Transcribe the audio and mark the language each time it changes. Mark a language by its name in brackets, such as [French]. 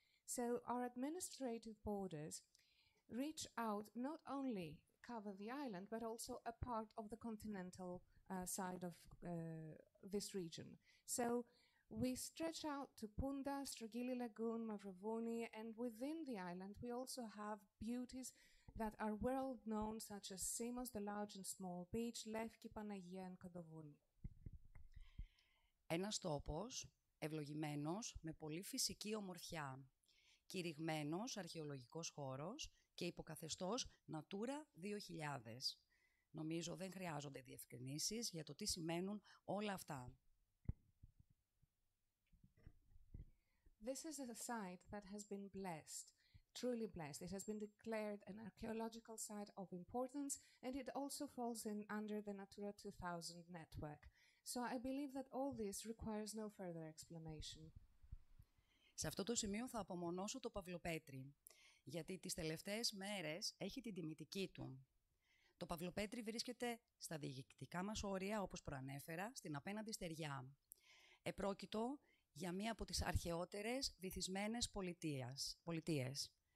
[English] So our administrative borders reach out, not only cover the island, but also a part of the continental side of this region. So we stretch out to Punda, Strugili Lagoon, Mavrovouni, and within the island we also have beauties that are world known, such as Simos, the large and small beach, Lefki, Panagia, and Kodovouni. [Greek] Ένας τόπος ευλογημένος με πολύ φυσική ομορφιά, κηρυγμένος αρχαιολογικός χώρος και υποκαθεστώς Natura 2000. Νομίζω δεν χρειάζονται διευκρινήσεις για το τι σημαίνουν όλα αυτά. [English] This is a site that has been blessed, truly blessed. It has been declared an archaeological site of importance, and it also falls in under the Natura 2000 network. So I believe that all this requires no further explanation. [Greek] Σε αυτό το σημείο θα απομονώσω το Παυλοπέτρι, γιατί τις τελευταίες μέρες έχει την τιμητική του. Το Παυλοπέτρι βρίσκεται στα διοικητικά μας όρια, όπως προανέφερα, στην απέναντι στεριά. Επρόκειτο για μία από τις αρχαιότερες βυθισμένες πολιτείες.